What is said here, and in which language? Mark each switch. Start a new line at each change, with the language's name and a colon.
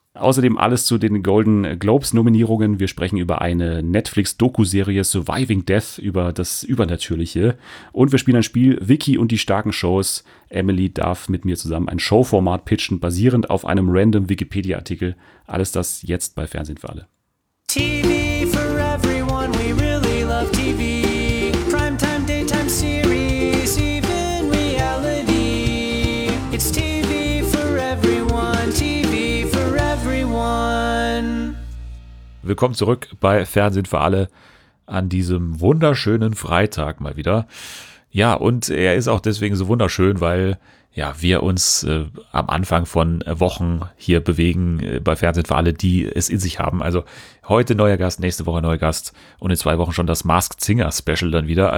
German: Außerdem alles zu den Golden Globes-Nominierungen. Wir sprechen über eine Netflix-Doku-Serie Surviving Death, über das Übernatürliche. Und wir spielen ein Spiel Vicky und die starken Shows. Emily darf mit mir zusammen ein Showformat pitchen, basierend auf einem random Wikipedia-Artikel. Alles das jetzt bei Fernsehen für alle.
English: TV for everyone, we really love TV. Primetime, daytime series, even reality. It's TV for everyone, TV for everyone.
German: Willkommen zurück bei Fernsehen für alle an diesem wunderschönen Freitag mal wieder. Ja, und er ist auch deswegen so wunderschön, weil ja, wir uns am Anfang von Wochen hier bewegen bei Fernsehen für alle, die es in sich haben. Also heute neuer Gast, nächste Woche neuer Gast und in 2 Wochen schon das Masked Singer Special dann wieder.